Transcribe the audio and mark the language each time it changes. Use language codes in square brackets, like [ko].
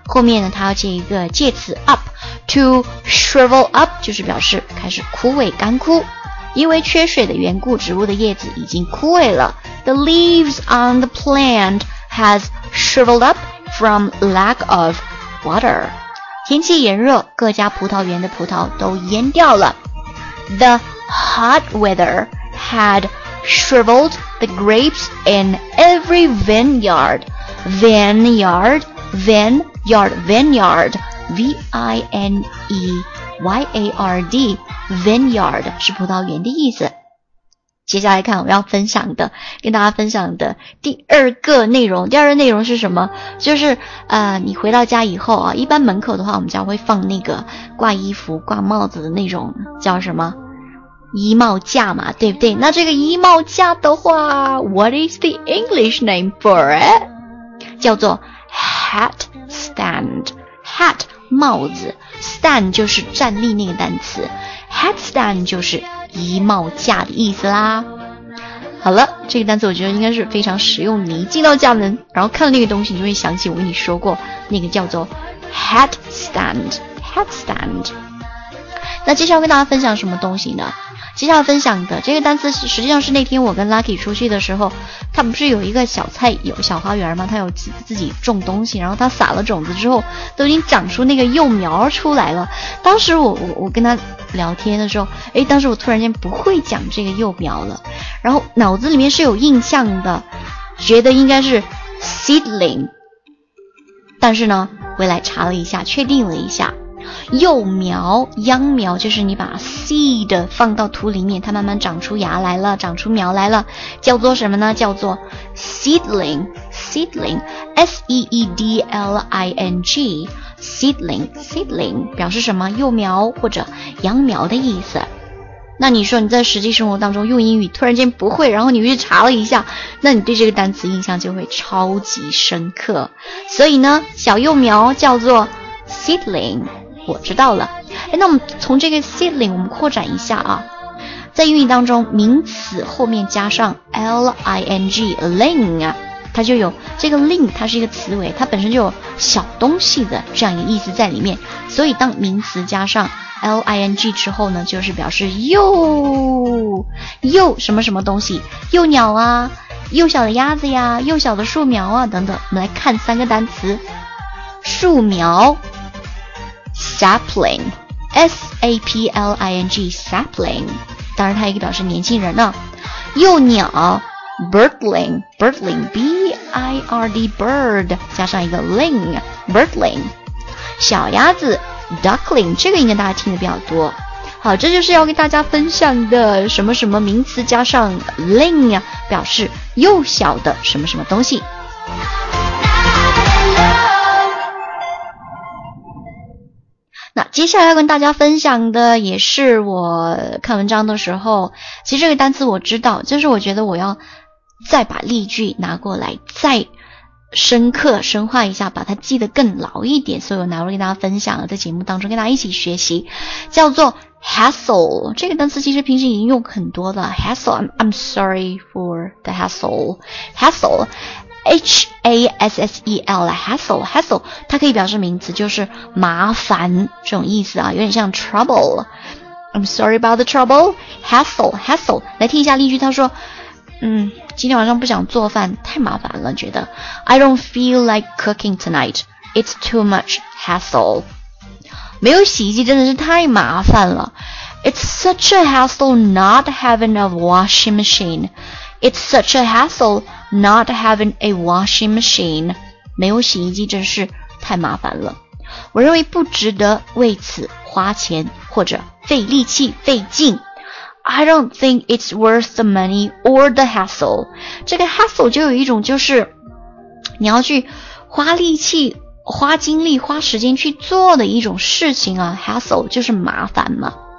[zh] 后面呢它要接一个介词 up， [en] to shrivel up [zh] 就是表示开始枯萎干枯，因为缺水的缘故，植物的叶子已经枯萎了。 [en] The leaves on the plant has shriveled up from lack of water， [zh] 天气炎热，各家葡萄园的葡萄都蔫掉了。 [en] The hot weather had shriveled the grapes in every vineyard， vineyard [zh] vineyard, vineyard, V-I-N-E-Y-A-R-D, vineyard 是葡萄园的意思。接下来看我要分享的，跟大家分享的第二个内容。第二个内容是什么？就是你回到家以后啊，一般门口的话，我们家会放那个挂衣服、挂帽子的那种，叫什么？衣帽架嘛，对不对？那这个衣帽架的话 [en] ，What is the English name for it？ [zh] 叫做 hat stand。 hat 帽子 ，stand 就是站立那个单词 ，hat stand 就是。衣帽架的意思啦。好了，这个单词我觉得应该是非常实用，你一进到家门然后看那个东西，你就会想起我跟你说过那个叫做 hat stand， hat stand。那接下来跟大家分享什么东西呢？接下来分享的这个单词实际上是那天我跟 Lucky 出去的时候，他不是有一个小菜有小花园吗？他有自己种东西，然后他撒了种子之后都已经长出那个幼苗出来了。当时我跟他聊天的时候，诶，当时我突然间不会讲这个幼苗了，然后脑子里面是有印象的，觉得应该是 seedling， 但是呢回来查了一下，确定了一下，幼苗 秧苗 就是你把 seed 放到土里面，它慢慢长出芽来了，长出苗来了，叫做什么呢？叫做 seedling， seedling， S-E-E-D-L-I-N-G， seedling， seedling 表示什么？幼苗或者秧苗的意思。那你说你在实际生活当中用英语突然间不会，然后你去查了一下，那你对这个单词印象就会超级深刻。所以呢小幼苗叫做 seedling，我知道了。诶，那我们从这个 seedling 我们扩展一下啊，在英语当中名词后面加上 ling， ling 啊，它就有这个 ling， 它是一个词尾，它本身就有小东西的这样一个意思在里面，所以当名词加上 ling 之后呢，就是表示又什么什么东西，幼鸟啊，幼小的鸭子呀，幼小的树苗啊等等。我们来看三个单词，树苗sapling， S-A-P-L-I-N-G， sapling， 当然它也可以表示年轻人呢。幼鸟 birdling， birdling， B-I-R-D， bird 加上一个 ling， birdling。小鸭子 duckling， 这个应该大家听得比较多。好，这就是要跟大家分享的什么什么名词加上 ling 表示幼小的什么什么东西。那接下来要跟大家分享的也是我看文章的时候，其实这个单词我知道，就是我觉得我要再把例句拿过来再深刻深化一下，把它记得更牢一点，所以我拿过来跟大家分享了，在节目当中跟大家一起学习，叫做 hassle。这个单词其实平时已经用很多了， hassle， [en] I'm sorry for the hassle， [zh] hassle，H-A-S-S-E-L， hassle， hassle， 它可以表示名词，就是麻烦这种意思啊，有点像 trouble， [en] I'm sorry about the trouble， [zh] hassle， hassle。来听一下例句，他说今天晚上不想做饭，太麻烦了，觉得 [en] I don't feel like cooking tonight， it's too much hassle， [zh] 没有洗衣机真的是太麻烦了， [en] it's such a hassle not having a washing machine，It's such a hassle not having a washing machine. [zh] 没有洗衣机真是太麻烦了。我认为不值得为此花钱或者费力气费劲。 [en] I don't think it's worth the money or the hassle. [zh] 这个 hassle 就有一种就是你要去花力气花精力花时间去做的一种事情啊。 hassle 就是麻烦嘛。